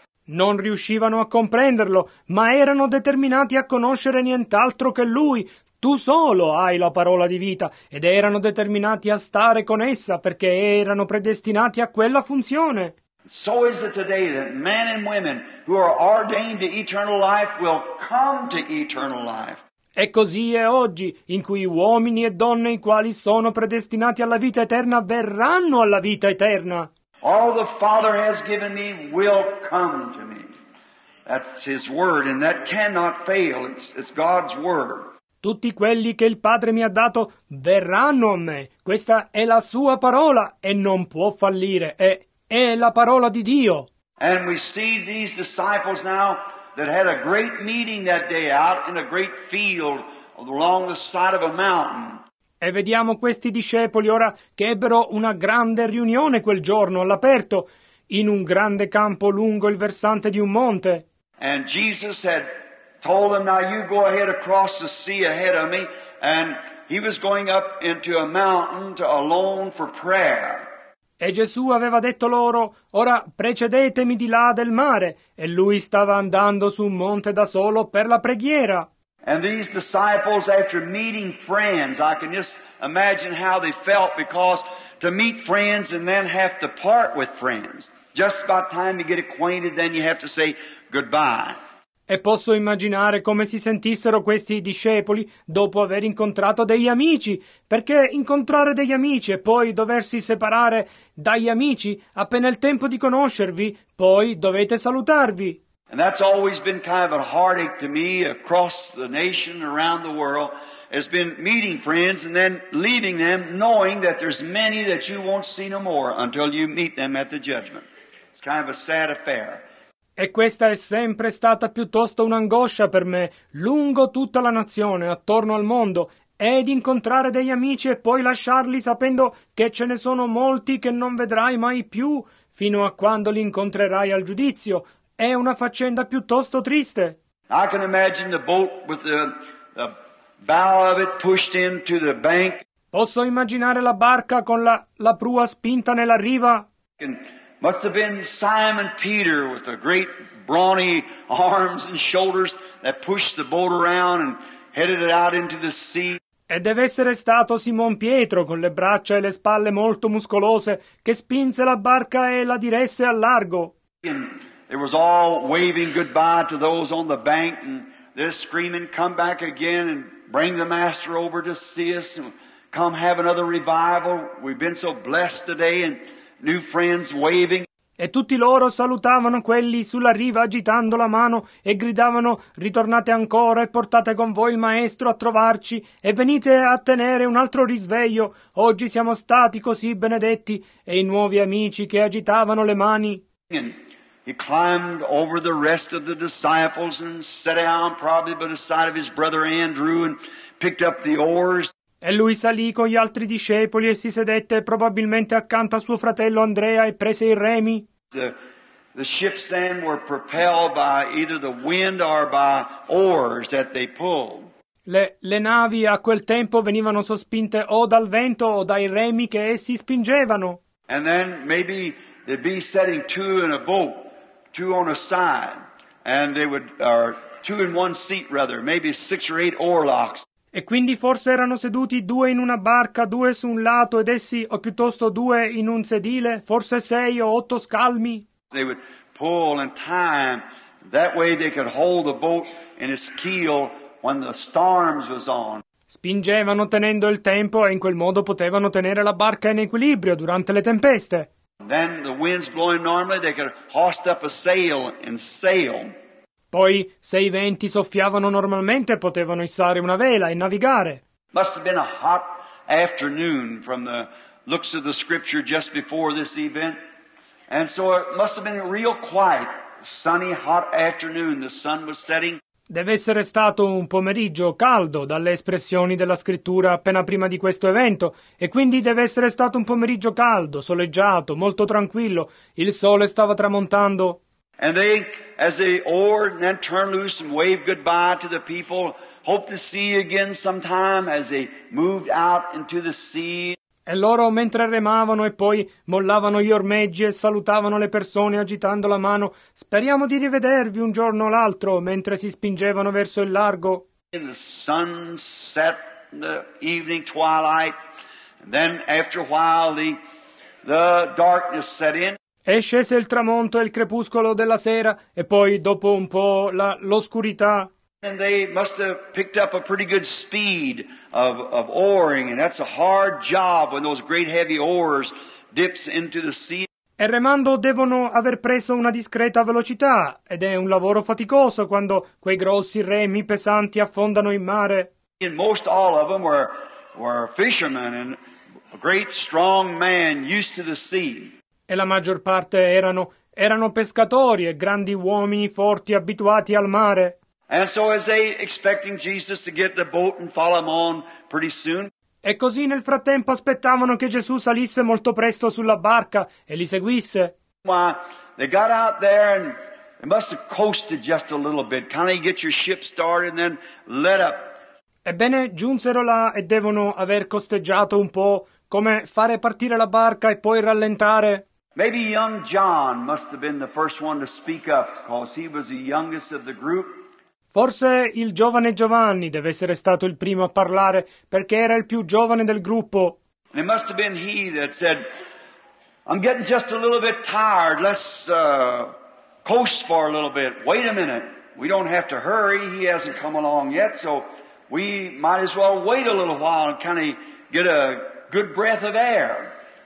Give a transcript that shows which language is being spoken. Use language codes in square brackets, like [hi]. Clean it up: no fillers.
[it] Non riuscivano a comprenderlo, ma erano determinati a conoscere nient'altro che lui. Tu solo hai la parola di vita, ed erano determinati a stare con essa, perché erano predestinati a quella funzione. [en] So is it today that men and women who are ordained to eternal life will come to eternal life. [it] E così è oggi, in cui uomini e donne i quali sono predestinati alla vita eterna verranno alla vita eterna. [en] All the Father has given me will come to me. That's His word, and that cannot fail. It's God's word. [it] Tutti quelli che il Padre mi ha dato verranno a me. Questa è la sua parola e non può fallire. È la parola di Dio. [en] And we see these disciples now that had a great meeting that day out in a great field along the side of a mountain. [it] E vediamo questi discepoli ora che ebbero una grande riunione quel giorno all'aperto in un grande campo lungo il versante di un monte. [en] And Jesus said, told them, now you go ahead across the sea ahead of me, and he was going up into a mountain to alone for prayer. [it] E Gesù aveva detto loro, ora precedetemi di là del mare, e lui stava andando su un monte da solo per la preghiera. [en] And these disciples, after meeting friends, I can just imagine how they felt, because to meet friends and then have to part with friends, just about time to get acquainted, then you have to say goodbye. [it] E posso immaginare come si sentissero questi discepoli dopo aver incontrato degli amici, perché incontrare degli amici e poi doversi separare dagli amici, appena il tempo di conoscervi, poi dovete salutarvi. [en] And that's always been kind of a heartache to me across the nation, around the world, has been meeting friends and then leaving them, knowing that there's many that you won't see no more until you meet them at the judgment. It's kind of a sad affair. [it] E questa è sempre stata piuttosto un'angoscia per me, lungo tutta la nazione, attorno al mondo, ed incontrare degli amici e poi lasciarli sapendo che ce ne sono molti che non vedrai mai più, fino a quando li incontrerai al giudizio, è una faccenda piuttosto triste. [en] I can imagine the boat with the bow of it pushed into the bank. [it] Posso immaginare la barca con la prua spinta nella riva. [en] It must have been Simon Peter with the great brawny arms and shoulders that pushed the boat around and headed it out into the sea. [it] E deve essere stato Simon Pietro con le braccia e le spalle molto muscolose che spinse la barca e la diresse al largo. [en] And it was all waving goodbye to those on the bank and they're screaming, come back again and bring the master over to see us and come have another revival. We've been so blessed today and new friends waving. [it] E tutti loro salutavano quelli sulla riva agitando la mano e gridavano, ritornate ancora e portate con voi il maestro a trovarci e venite a tenere un altro risveglio. Oggi siamo stati così benedetti e i nuovi amici che agitavano le mani. [en] And he climbed over the rest of the disciples and sat down probably by the side of his brother Andrew and picked up the oars. [it] E lui salì con gli altri discepoli e si sedette probabilmente accanto a suo fratello Andrea e prese i remi. [en] The ships then were propelled by either the wind or by oars that they pulled. [it] Le navi a quel tempo venivano sospinte o dal vento o dai remi che essi spingevano. [en] And then maybe they'd be setting two in a boat, two on a side, and they would, or two in one seat rather, maybe six or eight oarlocks. [it] E quindi forse erano seduti due in una barca, due su un lato ed essi, o piuttosto due in un sedile, forse sei o otto scalmi. [en] They would pull and time, that way they could hold the boat in its keel when the storms was on. [it] Spingevano tenendo il tempo e in quel modo potevano tenere la barca in equilibrio durante le tempeste. [en] Then the winds blowing normally, they could hoist up a sail and sail. [it] Poi, se i venti soffiavano normalmente, potevano issare una vela e navigare. [en] Must have been a hot afternoon from the looks of the scripture just before this event. And so it must have been a real quiet, sunny, hot afternoon. The sun was setting. [it] Deve essere stato un pomeriggio caldo dalle espressioni della scrittura appena prima di questo evento e quindi deve essere stato un pomeriggio caldo, soleggiato, molto tranquillo. Il sole stava tramontando. [en] And they, as they oared and then turned loose and waved goodbye to the people, hoped to see you again sometime as they moved out into the sea. [it] E loro, mentre remavano e poi mollavano gli ormeggi e salutavano le persone agitando la mano, speriamo di rivedervi un giorno o l'altro, mentre si spingevano verso il largo. [en] And the sun set in the evening twilight, and then after a while the darkness set in. [it] E scese il tramonto e il crepuscolo della sera, e poi dopo un po' l'oscurità. [en] And they must have picked up a pretty good speed of oaring, and that's a hard job when those great heavy oars dips into the sea. [it] E remando devono aver preso una discreta velocità, ed è un lavoro faticoso quando quei grossi remi pesanti affondano in mare. [en] And most all of them were fishermen and a great strong man used to the sea. [it] E la maggior parte erano pescatori e grandi uomini forti abituati al mare. [en] And so as they expecting Jesus to get the boat and follow him on pretty soon. [it] E così nel frattempo aspettavano che Gesù salisse molto presto sulla barca e li seguisse. [en] Why, they got out there and they must have coasted just a little bit. Kind of get your ship started and then let up. [it] Ebbene giunsero là e devono aver costeggiato un po', come fare partire la barca e poi rallentare. [en] Maybe young John must have been the first one to speak up because he was the youngest of the group. [it] Forse il giovane Giovanni deve essere stato il primo a parlare perché era il più giovane del gruppo. [en] And it must have been he that said, I'm getting just a little bit tired, let's coast for a little bit. Wait a minute, we don't have to hurry, he hasn't come along yet, so we might as well wait a little while and kind of get a good breath of air.